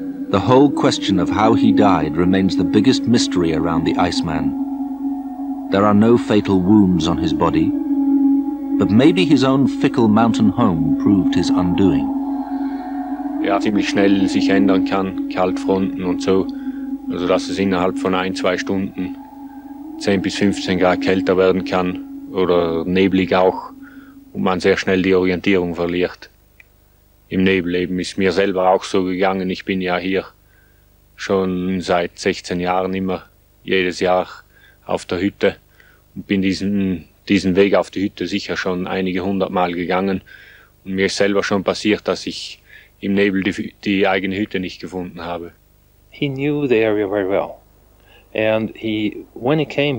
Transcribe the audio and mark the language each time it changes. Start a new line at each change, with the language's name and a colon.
English: The whole question of how he died remains the biggest mystery around the Iceman. There are no fatal wounds on his body, but maybe his own fickle mountain home proved his undoing.
German: Ja, ziemlich schnell sich ändern kann, Kaltfronten und so, also dass es innerhalb von ein, zwei Stunden 10 bis 15 Grad kälter werden kann oder neblig auch und man sehr schnell die Orientierung verliert. Im Nebel eben ist mir selber auch so gegangen, ich bin ja hier schon seit 16 Jahren immer, jedes Jahr auf der Hütte und bin diesen Weg auf die Hütte sicher schon einige hundert Mal gegangen und mir ist selber schon passiert, dass ich im Nebel die eigene Hütte nicht gefunden habe.
English: He knew the area very well. And he, when he came,